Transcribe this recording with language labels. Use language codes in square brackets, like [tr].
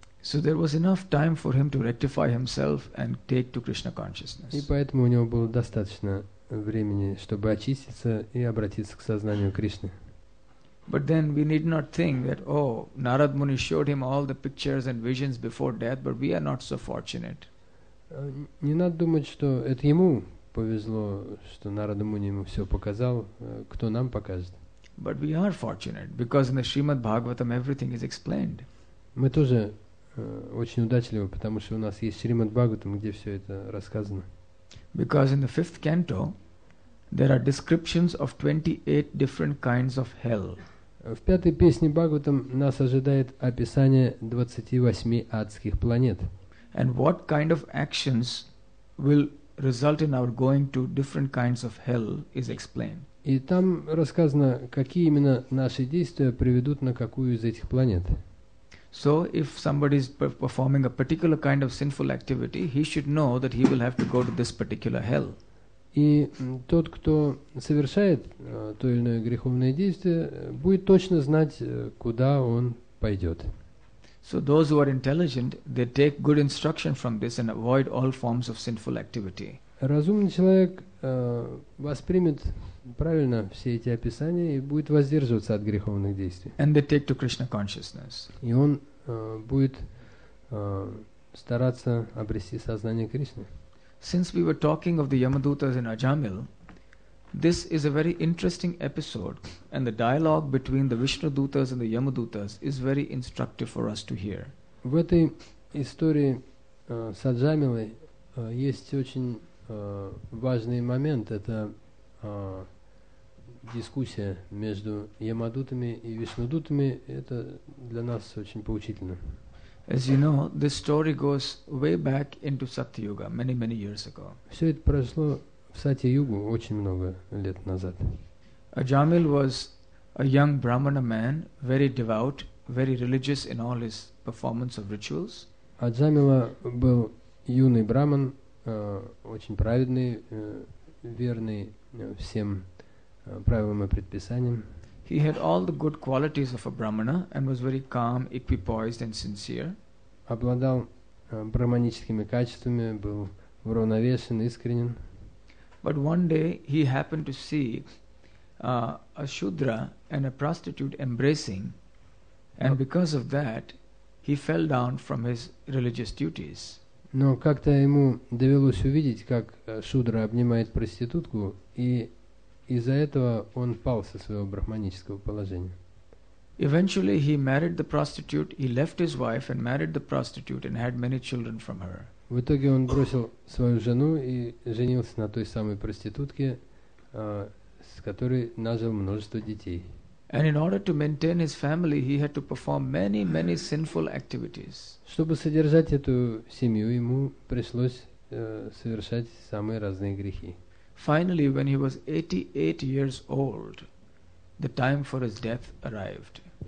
[en] So there was enough time for him to rectify himself and take to Krishna consciousness. [ru] И поэтому у него было достаточно времени, чтобы очиститься и обратиться к сознанию Кришны. [en] But then we need not think that, oh, Narad Muni showed him all the pictures and visions before death, but we are not so fortunate. [ru] Не надо думать, что это ему повезло, что Нарада Муни ему все показал, кто нам покажет. [en] But we are fortunate, because in the Srimad Bhagavatam everything is explained. [ru] Мы тоже очень удачливы, потому что у нас есть Srimad Bhagavatam, где все это рассказано. [en] Because in the fifth canto, there are descriptions of 28 different kinds of hell. [ru] В пятой песне Бхагаватам нас ожидает описание 28 адских планет. [en] And what kind of actions will result in our going to different kinds of hell is explained. [ru] И там рассказано, какие именно наши действия приведут на какую из этих планет. [en] So if somebody is performing a particular kind of sinful activity, he should know that he will have to go to this particular hell. [ru] И тот, кто совершает то или иное греховное действие, будет точно знать, куда он пойдет. [en] So those who are intelligent, they take good instruction from this and avoid all forms of sinful activity. [ru] Разумный человек воспримет правильно все эти описания и будет воздерживаться от греховных действий. [en] And they take to Krishna consciousness. [ru] И он будет стараться обрести сознание Кришны. [en] Since we were talking of the Yamadutas in Ajamil, this is a very interesting episode, and the dialogue between the Vishnudutas and the Yamadutas is very instructive for us to hear. [ru] В этой истории с Аджамилой есть очень важный момент. Это дискуссия между Ямадутами и Вишнудутами. Это для нас очень поучительно. [en] As you know, this story goes way back into Satyuga, many, many years ago. [ru] Все это произошло в Сатья-югу очень много лет назад. [en] Ajamil was a young Brahmana man, very devout, very religious in all his performance of rituals. [ru] Аджамила был юный браман, очень праведный, верный всем правилам и предписаниям. [en] He had all the good qualities of a Brahmana and was very calm, equipoised and sincere. [ru] Обладал брахманическими качествами, был уравновешен, искренен. [en] But one day he happened to see a Shudra and a prostitute embracing, and because of that he fell down from his religious duties. [ru] Но как-то ему довелось увидеть, как Шудра обнимает проститутку, и из-за этого он пал со своего брахманического положения. [en] Eventually he married the prostitute, he left his wife and married the prostitute and had many children from her. [ru] В итоге он бросил свою жену и женился на той самой проститутке, с которой нажил множество детей. [en] And in order to maintain his family, he had to perform many, many sinful activities. [ru] Чтобы содержать эту семью, ему пришлось совершать самые разные грехи. [en] Finally, when he was 88 years old, the time for his death arrived.